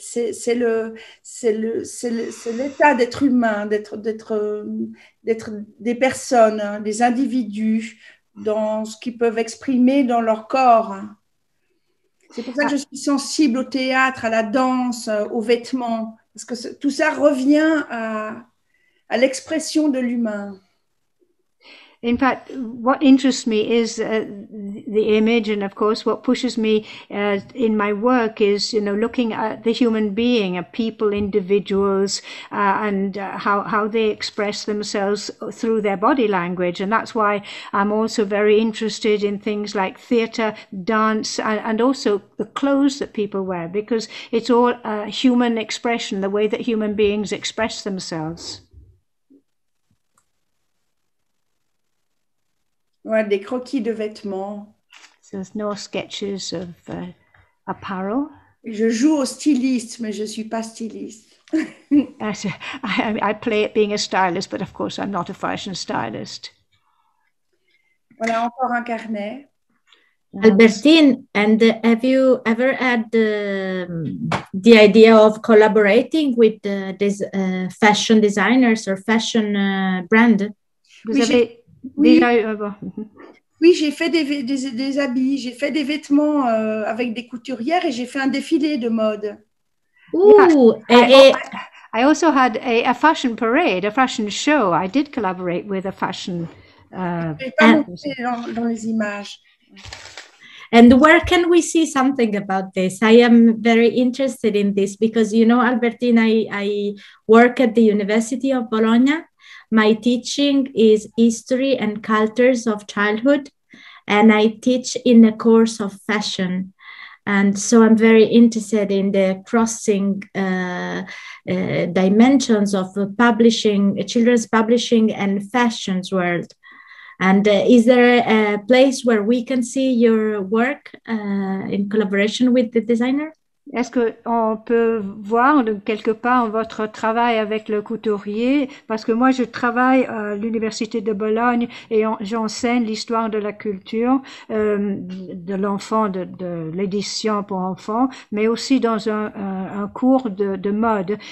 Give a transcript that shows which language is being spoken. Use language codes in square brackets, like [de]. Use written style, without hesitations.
[fr] C'est l'état d'être humain, d'être des personnes, hein, des individus, dans ce qu'ils peuvent exprimer dans leur corps. Hein. C'est pour ça que je suis sensible au théâtre, à la danse, aux vêtements, parce que tout ça revient à l'expression de l'humain. [en] In fact, what interests me is the image, and of course, what pushes me in my work is, looking at the human being, at people, individuals, and how they express themselves through their body language. And that's why I'm also very interested in things like theatre, dance, and also the clothes that people wear, because it's all human expression, the way that human beings express themselves. [fr] Ouais, des croquis de vêtements. [en] There's no sketches of apparel. [fr] Je joue au styliste, mais je ne suis pas styliste. [en] I play it being a stylist, but of course I'm not a fashion stylist. [fr] Voilà encore un carnet. [en] Albertine, and have you ever had the idea of collaborating with these fashion designers or fashion brand? [fr] Vous avez Oui. déjà eu. Oui, j'ai fait des habits, j'ai fait des vêtements avec des couturières et j'ai fait un défilé de mode. [en] Yeah, Ooh, [fr] et [en] I also had a fashion parade, a fashion show. I did collaborate with a fashion [fr] je n'ai pas [en] person. [fr] montré dans les images. [en] And where can we see something about this? I am very interested in this because, Albertine, I work at the University of Bologna. My teaching is history and cultures of childhood, and I teach in a course of fashion. And so I'm very interested in the crossing dimensions of publishing, children's publishing and fashions world. And is there a place where we can see your work in collaboration with the designer? [fr] Est-ce qu'on peut voir donc, quelque part votre travail avec le couturier? Parce que moi, je travaille à l'Université de Bologne et j'enseigne l'histoire de la culture de l'enfant, de l'édition pour enfants, mais aussi dans un cours de mode.